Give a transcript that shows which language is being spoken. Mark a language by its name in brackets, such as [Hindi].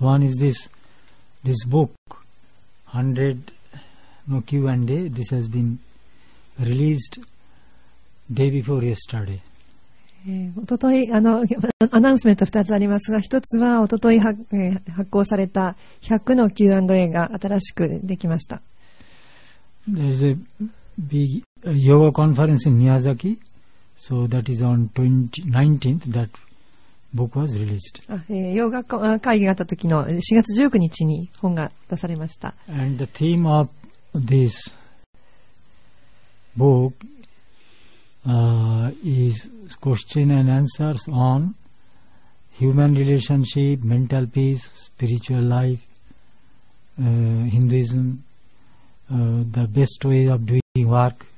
[English] One is this book, 100 no Q&A, this has been released day before yesterday. [Japanese] おととい、アナウンスメント2つありますが、1つはおととい発行された100の Q&A が新しくできました。 [English] There is a big yoga conference in Miyazaki, so that is on 19th that book was released. [Japanese] ヨガ会議があった時の4月19日に本が出されました。 [English] And the theme of this bookis question and answers on human relationship, mental peace, spiritual life, Hinduism, the best way of doing work.